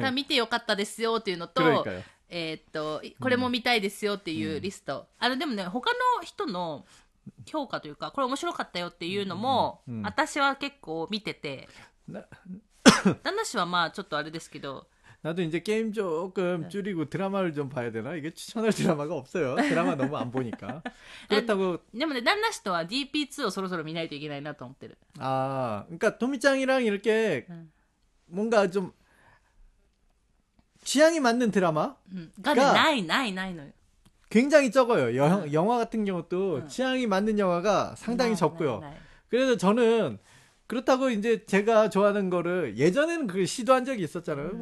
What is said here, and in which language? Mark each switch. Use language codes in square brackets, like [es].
[ja] 다見てよかったですよっていうのと、これも見たいですよっていうリスト、あのでもね、他の人の評価というか、これ面白かったよっていうのも私は結構見てて、旦那氏はまあちょっとあれですけど、 [ko] 나도 이제 게임 조금 줄이고 드라마를 좀 봐야 되나? 이게 추천할 드라마가 없어요. 드라마 너무 안 보니까. 그렇다고. 근데 남자친구와 DP2를 서로서로 [ja] 見ないといけないなと思ってる. [ko] 아, 그러니까 도미짱이랑 이렇게 뭔가 좀 취향이 맞는 드라마? [ja] 가ない、ない、ないのよ. [ko] 굉장히 적어요. 영화 같은 경우도 취향이 맞는 영화가 상당히 적고요. 그래서 저는 그렇다고 이제 제가 좋아하는 거를 예전에는 그 시도한 적이 있었잖아요.